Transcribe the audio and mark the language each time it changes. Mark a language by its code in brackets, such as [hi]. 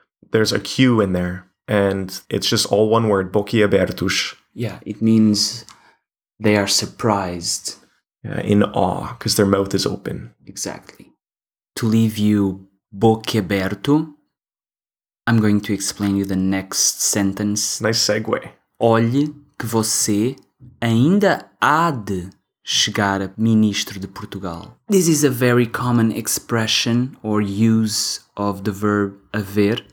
[en] There's a Q in there, and it's just all one word, boquiabertos. Yeah, it means they are surprised. Yeah, in awe, because their mouth is open. Exactly. To leave you boquiaberto, I'm going to explain you the next sentence. Nice segue. [pt] Olhe que você ainda há de chegar a ministro de Portugal. [en] This is a very common expression or use of the verb haver.